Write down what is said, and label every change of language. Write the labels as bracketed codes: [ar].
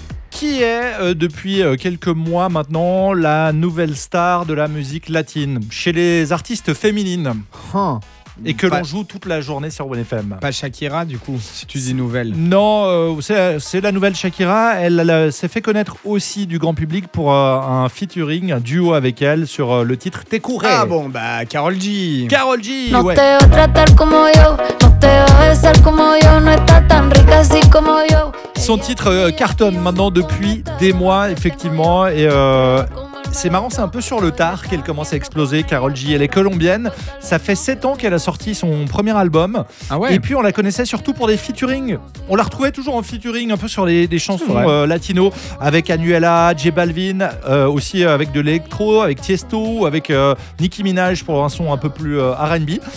[fr] Qui est depuis quelques mois maintenant la nouvelle star de la musique latine chez les artistes féminines et que l'on joue toute la journée sur OneFM? Pas Shakira du coup, si tu dis nouvelle. Non, c'est la nouvelle Shakira. Elle s'est fait connaître aussi du grand public pour un featuring, un duo avec elle sur le titre T'es couré. Ah bon, bah Karol G. Karol G. [es] No te va a tratar como yo, no te va a besar como yo, no está tan rica así como yo. [fr] Son titre cartonne maintenant depuis des mois, effectivement. Et c'est marrant, c'est un peu sur le tard qu'elle commence à exploser, Karol G. Elle est colombienne. Ça fait 7 ans qu'elle a sorti son premier album. Ah ouais. Et puis, on la connaissait surtout pour des featuring. On la retrouvait toujours en featuring, un peu sur des chansons latino, avec Anuela, J Balvin, aussi avec de l'électro, avec Tiesto, avec Nicki Minaj pour un son un peu plus R&B.